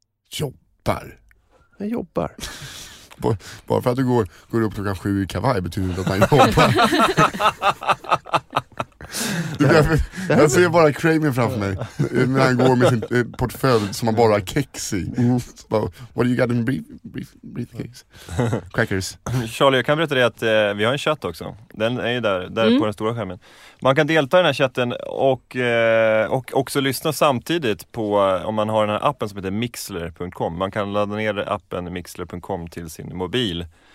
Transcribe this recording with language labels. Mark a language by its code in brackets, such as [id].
[sv] Jobbar? Jag jobbar. Bara för att du går upp klockan 7 i kavaj betyder inte att han jobbar. Jag ser bara Kramer framför mig när han går med sin portfölj som han bara har kex i. [en] What do you got in briefcase? Crackers. [sv] Charlie, jag kan berätta dig att vi har en chatt också. Den är ju där på den stora skärmen. Man kan delta i den här chatten och också lyssna samtidigt på, om man har den här appen som heter Mixler.com. Man kan ladda ner appen Mixler.com till sin mobil.